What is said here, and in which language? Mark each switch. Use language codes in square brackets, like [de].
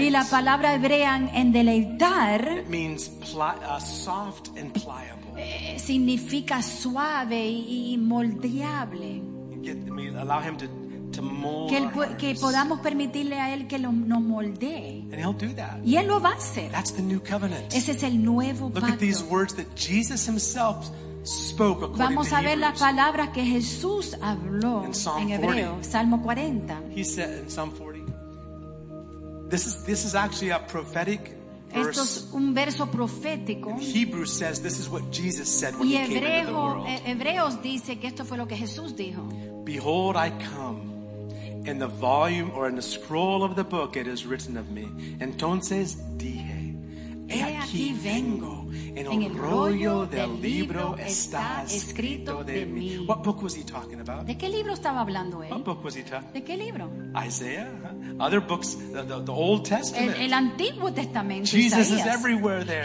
[es] y la palabra hebrea en deleitar, [en] it means soft and pliable. [es] Significa suave y moldeable. [en] Allow him to to mold [es] que, él, que podamos permitirle a Él que lo, nos moldee. [en] And he'll do that. [es] Y Él lo va a hacer. [en] That's the new covenant. [es] Ese es el nuevo [en] Look [es] pacto. [en] At these words that Jesus himself spoke according [es] Vamos [en] to [es] a ver [en] Hebrews. [es] Las palabras que Jesús habló en Hebreo, Salmo 40. [en] He said in Psalm 40. This is actually a prophetic verse. [es] Esto es un verso profético. [en] Hebrews says this is what Jesus said when he came into the world. [es] Hebreos dice que esto fue lo que Jesús dijo. [en] Behold, I come. In the volume or in the scroll of the book it is written of me. [es] Entonces dije, he aquí vengo. En el rollo del libro está escrito de mí. [en] What book was he talking about? [es] ¿De qué libro estaba hablando él? [en] What book was he talking? [es] ¿De qué libro? [en] Isaiah, huh? Other books, the Old Testament. [es] El Antiguo Testamento. [en] Jesus is everywhere there.